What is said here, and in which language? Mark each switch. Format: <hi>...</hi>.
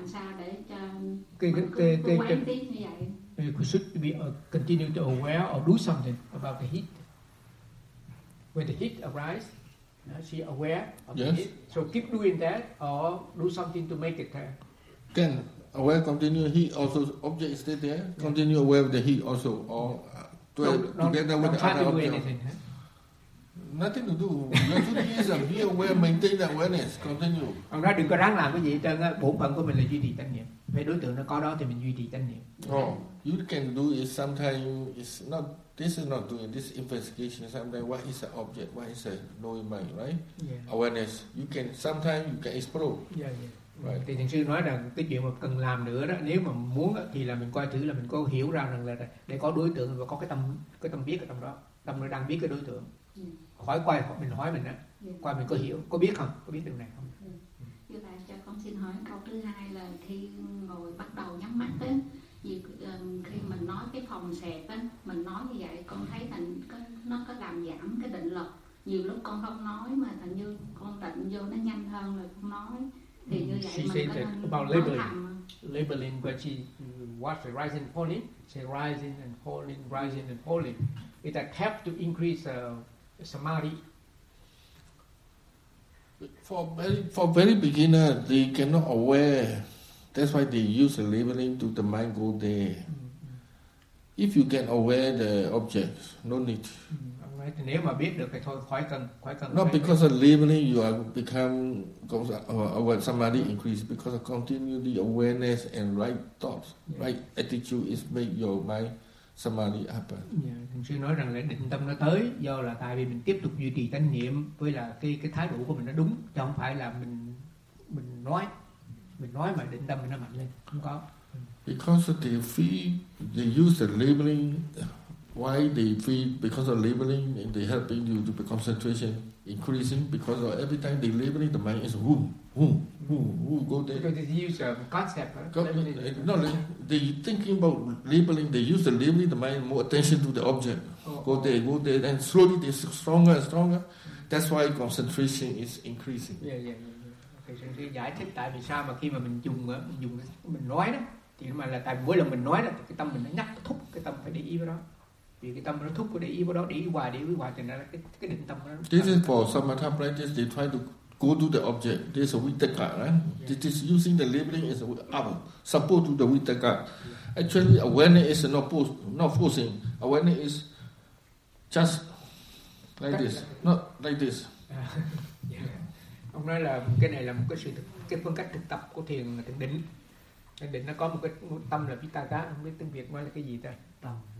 <vi>Mình có làm sao để cho mình quán tiếp như vậy?</vi> <en>We should be continue to aware or do something about the heat. When the heat arises, she aware of the heat. So keep doing that or do something to make it there. Can aware continue heat also object stay there? Continue aware of the heat also or together with the other object? Nothing to do. Nothing is a be aware, maintain the awareness, continue.</en> <vi>Ông nói đừng có ráng làm cái gì hết trơn á. Bổn phận của mình là duy trì chánh niệm. Về đối tượng nó có đó thì mình duy trì chánh niệm.</vi> <en>Oh, you can do it sometimes. It's not. This is not doing this investigation. Sometimes what is an object? What is a knowing mind? Right? Yeah. Awareness. You can sometimes you can explore. Yeah, yeah. Right.</en> <vi>Thì thằng sư nói rằng cái chuyện mà cần làm nữa đó, nếu mà muốn thì là mình coi thử là mình có hiểu ra rằng là để có đối tượng và có cái tâm biết ở trong đó, tâm nó đang biết cái đối tượng. Khỏi quay mình hỏi mình á, quay mình có hiểu, có biết không, có biết điều này không? Như vậy cho con xin hỏi câu thứ hai là khi ngồi bắt đầu nhắm mắt á, Vì khi mình nói cái phòng xẹp á, mình nói như vậy con thấy thành nó có làm giảm cái định lực. Nhiều lúc con không nói mà thành như con định vô nó nhanh hơn rồi con nói. Thì như vậy</vi> <en>she</en> <vi>mình</vi> <en>said</en> <vi>có</vi> <en>that</en> <vi>nên</vi> <en>about labeling, labeling when she watch the rising and falling, say rising and falling, rising and falling. It helps to increase samadhi. For very beginner, they cannot aware. That's why they use the labeling to the mind go there. Mm-hmm. If you get aware the objects, no need. Mm-hmm. Not because of labeling, you are become aware. Samadhi increase because of continually awareness and right thoughts, yes. Right attitude is make your mind samadhi happen. Yeah.</en> <vi>Sư nói rằng là định tâm nó tới do là tại vì mình tiếp tục duy trì chánh niệm với là cái thái độ của mình nó đúng, chứ không phải là mình nói mà định tâm mình nó mạnh lên, không có.</vi> <en>Because they feel they use the labeling, why they feel because of labeling and they helping you to be concentration increasing because of every time they labeling the mind is who go there. Because they use concept. No, they thinking about labeling. They use the labeling the mind more attention to the object. Go there, and slowly they stronger and stronger. That's why concentration is increasing. Yeah, yeah.</en> <vi>Okay, so giải thích tại vì sao mà khi mà mình dùng mình nói đó, thì mà là tại mỗi lần mình nói đó, cái tâm mình nó nhắc thúc cái tâm phải để ý vào đó.</vi> <en>This is for samatha practice. They try to go to the object. This is a vitaka, right? Yeah. This is using the labeling as a support to the vitaka. Yeah. Actually, awareness is not forcing. Awareness is just like this, not like this. Yeah.</en> <vi>Ông nói là cái này là một cái phương cách thực tập của thiền định. Thiền định nó có một cái một tâm là vitaka, không biết tiếng Việt nói là cái gì ta?</vi>